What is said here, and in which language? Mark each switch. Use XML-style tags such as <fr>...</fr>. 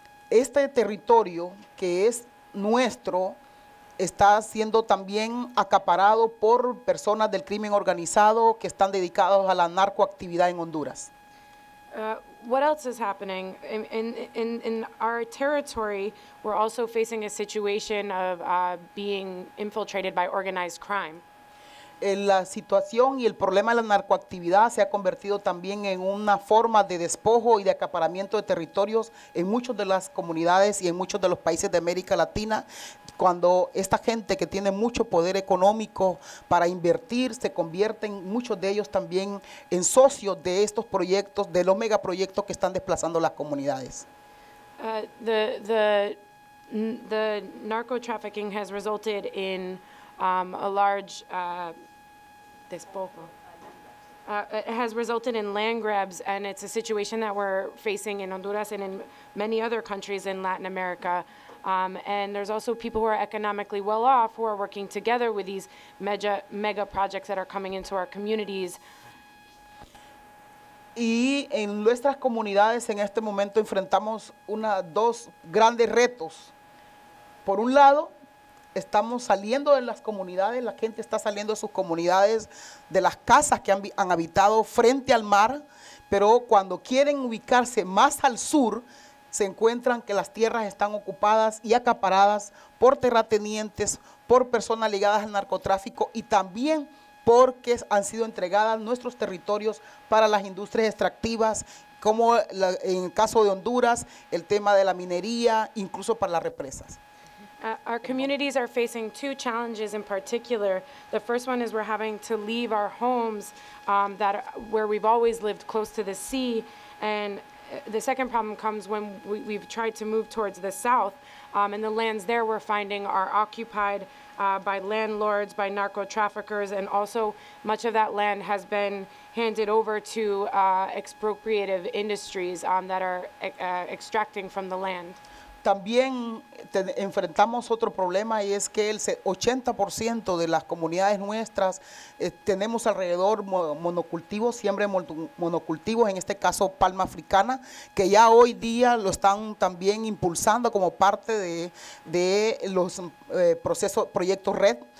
<es>Este territorio que es nuestro está siendo también acaparado por personas del crimen organizado que están dedicados a la narcoactividad en Honduras.</es> <en>What else is happening? In our territory, we're also facing a situation of being infiltrated by organized crime.</en> <es>La situación y el problema de la narcoactividad se ha convertido también en una forma de despojo y de acaparamiento de territorios en muchas de las comunidades y en muchos de los países de América Latina, cuando esta gente que tiene mucho poder económico para invertir se convierten muchos de ellos también en socios de estos proyectos, de los megaproyectos que están desplazando las comunidades.</es> <en>The narco trafficking has resulted in a large despojo. It has resulted in land grabs, and it's a situation that we're facing in Honduras and in many other countries in Latin America. And there's also people who are economically well off who are working together with these mega projects that are coming into our communities.</en> <es>Y en nuestras comunidades en este momento enfrentamos dos grandes retos. Por un lado, estamos saliendo de las comunidades, la gente está saliendo de sus comunidades, de las casas que han habitado frente al mar, pero cuando quieren ubicarse más al sur, se encuentran que las tierras están ocupadas y acaparadas por terratenientes, por personas ligadas al narcotráfico y también porque han sido entregadas nuestros territorios para las industrias extractivas, como en el caso de Honduras, el tema de la minería, incluso para las represas.</es> <en>Our communities are facing two challenges in particular. The first one is we're having to leave our homes where we've always lived close to the sea. And the second problem comes when we've tried to move towards the south. And the lands there we're finding are occupied by landlords, by narco traffickers, and also much of that land has been handed over to expropriative industries that are extracting from the land.</en> <es>También enfrentamos otro problema y es que el 80% de las comunidades nuestras tenemos alrededor monocultivos, siembra monocultivos, en este caso palma africana, que ya hoy día lo están también impulsando como parte de los procesos, proyectos red.</es>